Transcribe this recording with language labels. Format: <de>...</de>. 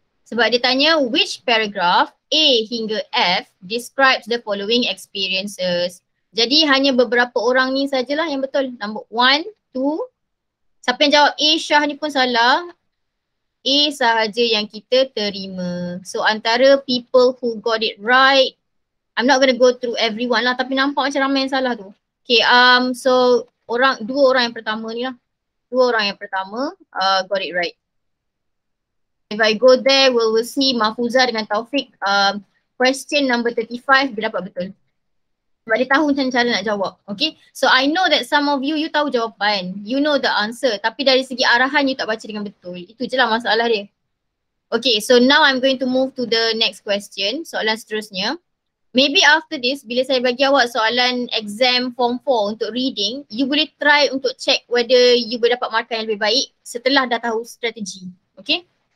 <ms>Sebab dia tanya</ms> <en>which paragraph A hingga F describes the following experiences.</en> <ms>Jadi hanya beberapa orang ni sajalah yang betul. Number 1, 2. Siapa yang jawab A, Shah ni pun salah. A sahaja yang kita terima. So antara</ms> <en>people who got it right, I'm not going to go through everyone</en> <ms>lah, tapi nampak macam ramai yang salah tu. Okay, so orang, dua orang yang pertama ni lah. Dua orang yang pertama</ms> <en>got it right. If I go there, we'll see Mahfuzah dengan Taufik.</en> <ms>Question number 35, dia dapat betul. Sebab dia tahu macam cara nak jawab.</ms> <en>Okay, so I know that some of you, you</en> <ms>tahu jawapan.</ms> <en>You know the answer.</en> <ms>Tapi dari segi arahan, you tak baca dengan betul. Itu je lah masalah dia.</ms> <en>Okay, so now I'm going to move to the next question.</en> <ms>Soalan seterusnya.</ms> <en>Maybe after this,</en> <ms>bila saya bagi awak soalan exam form 4 untuk reading, you boleh try untuk check whether you boleh dapat markah yang lebih baik setelah dah tahu strategi. Okay?</ms>